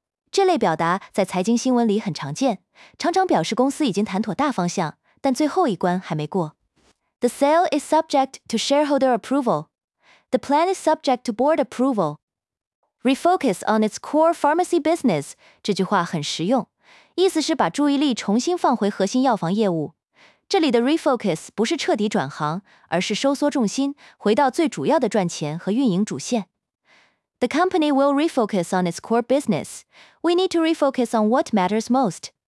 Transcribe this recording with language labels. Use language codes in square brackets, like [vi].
[zh] 这类表达在财经新闻里很常见，常常表示公司已经谈妥大方向，但最后一关还没过。 [en] The sale is subject to shareholder approval. The plan is subject to board approval. Refocus on its core pharmacy business [zh] 这句话很实用，意思是把注意力重新放回核心药房业务。这里的 refocus 不是彻底转行，而是收缩重心，回到最主要的赚钱和运营主线。 [en] The company will refocus on its core business. We need to refocus on what matters most.